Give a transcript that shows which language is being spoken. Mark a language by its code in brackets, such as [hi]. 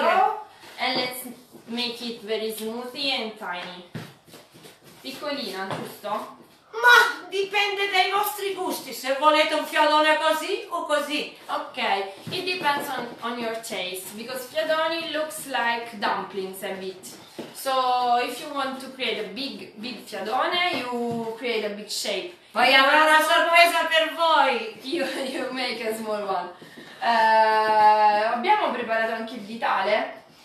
[en] Of the dough and let's make it very smoothy and tiny. [it] Piccolina, giusto? Ma dipende dai vostri gusti, se volete un fiadone così o così. [en] Ok, it depends on your taste, because fiadoni looks like dumplings a bit. So if you want to create a big fiadone, you create a big shape. [it] Poi avrò una sorpresa per voi. [en] You make a small one. [it] Abbiamo preparato anche il ditale.